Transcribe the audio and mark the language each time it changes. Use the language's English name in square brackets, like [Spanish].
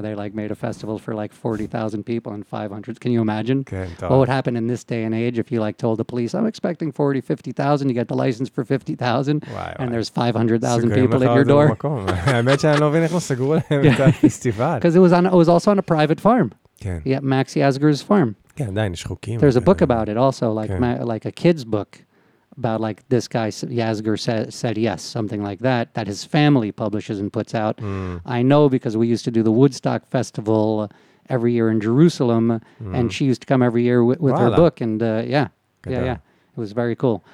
[English] They like made a festival for like 40,000 people and 500. Can you imagine? [Hebrew] כן, טוב. [English] What would happen in this day and age if you like told the police, I'm expecting 40, 50,000, you get the license for 50,000, and there's 500,000 people at your door. [Hebrew] סגורים לך על זה במקום. האמת שאני לא מבין איך לא סגרו להם את הפסטיבל. [English] Because it was also on a private farm. [Hebrew] כן. [English] Yeah, Maxi Asger's farm. [Hebrew] כן, עדיין, יש חוקים. [English] There's a book about it also, like, like a kid's book. About like this guy Yasger said yes, something like that, that his family publishes and puts out. I know because we used to do the Woodstock Festival every year in Jerusalem, and she used to come every year with her book, and yeah, it was very cool.